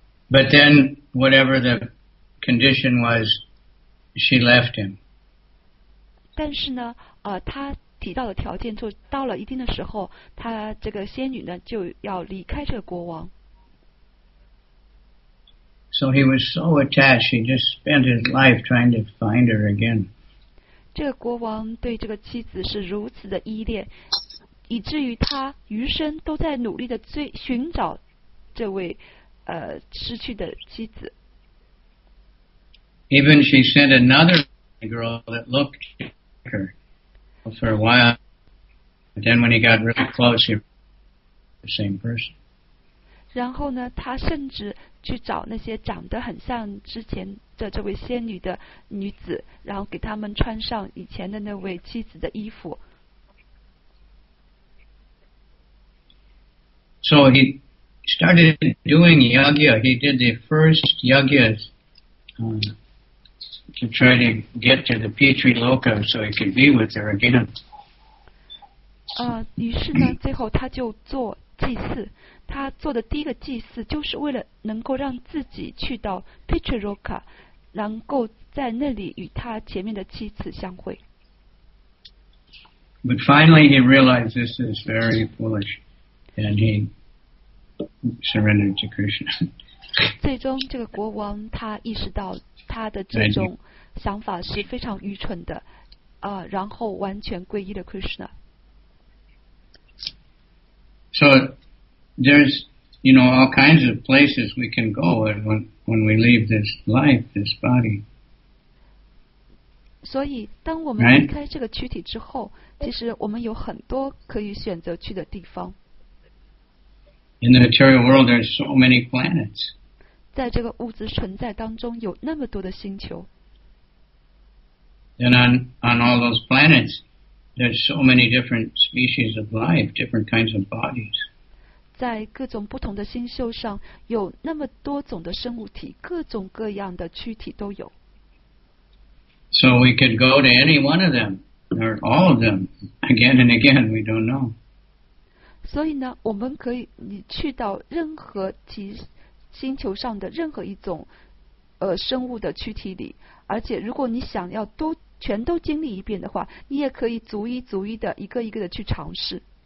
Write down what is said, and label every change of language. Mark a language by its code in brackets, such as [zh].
[en] But then, whatever the condition was, she left him. [zh] 但是呢，他提到的条件就到了一定的时候，他这个仙女呢就要离开这个国王。 [en] So he was so attached, he just spent his life trying to find her again. [zh] 这个国王对这个妻子是如此的依恋，以至于他余生都在努力的寻找这位。失去的妻子。 [en] Even she sent another girl that looked like her for a while, but then when he got really close, he was the same person. [zh] 然后呢，他甚至去找那些长得很像之前的这位仙女的女子，然后给他们穿上以前的那位妻子的衣服。 [en] So he. Started doing yagya. He did the first yagyas to try to get to the Petri Loka so he could be with her again. [zh] 于是呢，最后他就做祭祀。他做的第一个祭祀就是为了能够让自己去到 Petri Loka， 能够在那里与他前面的妻子相会。 [en] But finally, he realized this is very foolish, and he. Surrendered to Krishna. [zh] 最终，这个国王他意识到他的这种想法是非常愚蠢的，然后完全皈依了 Krishna. [en] So there's, all kinds of places we can go when we leave this life, this body. [zh] 所以，当我们离开这个躯体之后，其实我们有很多可以选择去的地方。 [en] In the material world, there are so many planets. [zh] 在这个物质存在当中有那么多的星球。 [en] And on all those planets, there are so many different species of life, different kinds of bodies. [zh] 在各种不同的星宿上有那么多种的生物体，各种各样的躯体都有。 [en] So we could go to any one of them, or all of them, again and again, we don't know. [zh] 所以呢，我们可以你去到任何其星球上的任何一种生物的躯体里，而且如果你想要都全都经历一遍的话，你也可以逐一逐一的一个一个的去尝试。